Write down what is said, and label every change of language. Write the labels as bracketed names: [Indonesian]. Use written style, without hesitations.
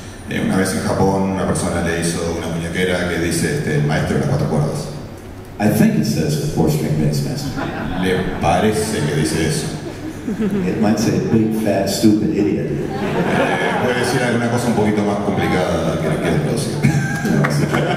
[Spanish] Una vez en Japón, una persona le hizo una muñequera que dice el maestro de las cuatro cuerdas. [English] I think it says four-string bass master. [Spanish] Le parece que dice eso. [English] It might say big, fat, stupid idiot. [Spanish] Puede decir alguna cosa un poquito más complicada que lo que es los.